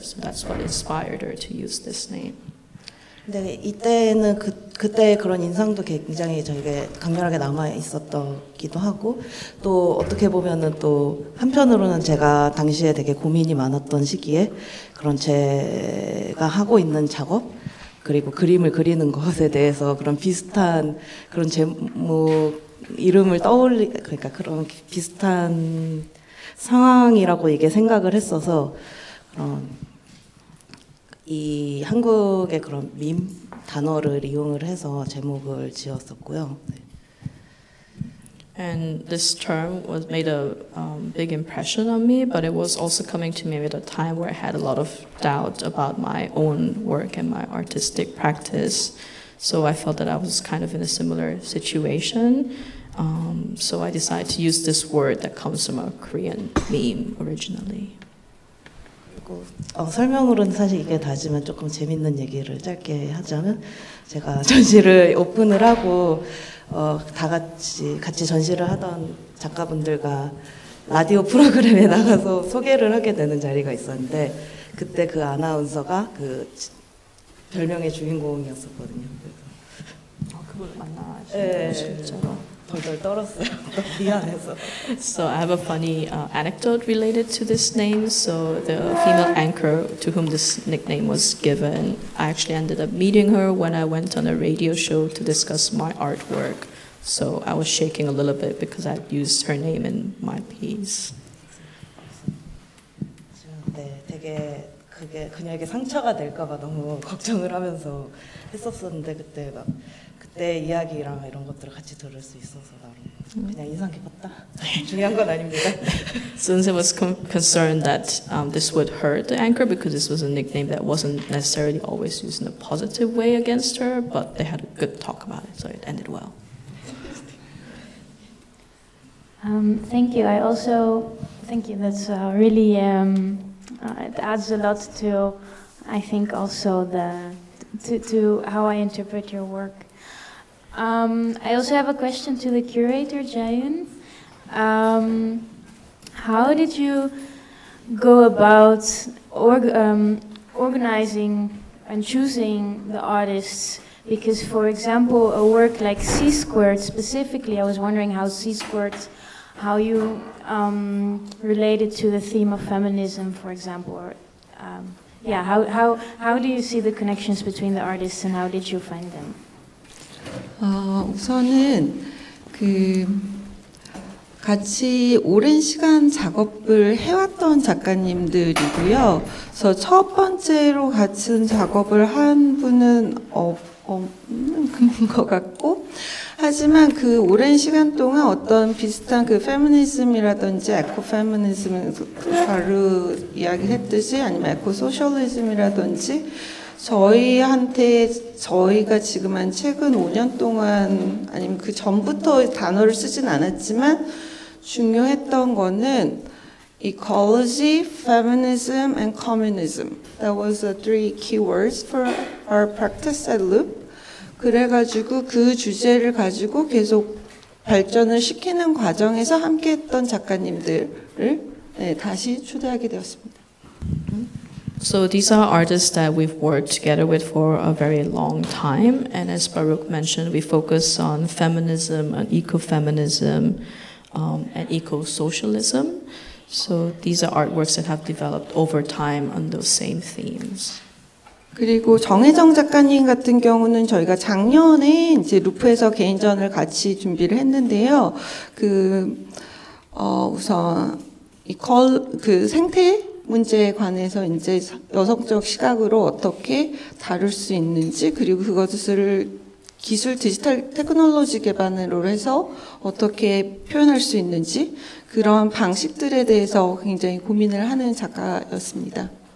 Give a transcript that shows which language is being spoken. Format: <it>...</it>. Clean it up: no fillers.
<en>So that's what inspired her to use this name.</en> <ko>네, 이때는 그때의 그런 인상도 굉장히 저에게 강렬하게 남아있었기도 하고 또 어떻게 보면은 또 한편으로는 제가 당시에 되게 고민이 많았던 시기에 그런 제가 하고 있는 작업 그리고 그림을 그리는 것에 대해서 그런 비슷한 그런 제목 이름을 그러니까 그런 비슷한 상황이라고 이게 생각을 했어서 그런 이 한국의 그런 밈 단어를 이용을 해서 제목을 지었었고요.</ko> <en>And this term was made a big impression on me, but it was also coming to me at a time where I had a lot of doubt about my own work and my artistic practice. So I felt that I was kind of in a similar situation. So I decided to use this word that comes from a Korean meme originally.</en> <ko>설명으로는 사실 이게 다지만 조금 재밌는 얘기를 짧게 하자면 제가 전시를 오픈을 하고 다 같이 전시를 하던 작가분들과 라디오 프로그램에 나가서 소개를 하게 되는 자리가 있었는데 그때 그 아나운서가 그 별명의 주인공이었었거든요. 그걸 만나시죠. 떨었어요.</ko> <en>So I have a funny anecdote related to this name. So the female anchor to whom this nickname was given, I actually ended up meeting her when I went on a radio show to discuss my artwork. So I was shaking a little bit because I'd used her name in my piece.</en> <ko>네, 되게 그게 그녀에게 상처가 될까봐 너무 걱정을 하면서 했었었는데 그때 막. 내 이야기랑 이런 것들을 같이 들을 수 있어서 나름 그냥 인상 깊었다. 중요한 건 아닙니다.</ko> <en>Sunse was concerned that this would hurt the anchor because this was a nickname that wasn't necessarily always used in a positive way against her, but they had a good talk about it, so it ended well. Thank you. I also thank you. That's really it adds a lot to I think also to how I interpret your work. I also have a question to the curator, Jaehyun. How did you go about organizing and choosing the artists? Because, for example, a work like C-Squared specifically, I was wondering how C-Squared, how you related to the theme of feminism, for example. How do you see the connections between the artists and how did you find them?</en> <ko>우선은 그 같이 오랜 시간 작업을 해왔던 작가님들이고요. 그래서 첫 번째로 같이 작업을 한 분은 없는 것 같고, 하지만 그 오랜 시간 동안 어떤 비슷한 그 페미니즘이라든지 에코페미니즘, 바로 이야기했듯이, 아니면 에코소셜리즘이라든지 저희한테, 저희가 지금 한 최근 5년 동안, 아니면 그 전부터 단어를 쓰진 않았지만 중요했던 거는</ko> <en>ecology, feminism, and communism. That was the three keywords for our practice at Loop.</en> <ko>그래가지고 그 주제를 가지고 계속 발전을 시키는 과정에서 함께했던 작가님들을 다시 초대하게 되었습니다.</ko> <en>So these are artists that we've worked together with for a very long time. And as Baruch mentioned, we focus on feminism and ecofeminism. And eco-socialism. So these are artworks that have developed over time on those same themes.</en> <ko>그리고 정혜정 작가님 같은 경우는 저희가 작년에 이제 루프에서 개인전을 같이 준비를 했는데요. 그 우선 이 컬 그 생태 문제에 관해서 이제 여성적 시각으로 어떻게 다룰 수 있는지, 그리고 그것을 기술 디지털 테크놀로지 개발로 해서 어떻게 표현할 수 있는지 그런 방식들에 대해서 굉장히 고민을 하는 작가였습니다.</ko>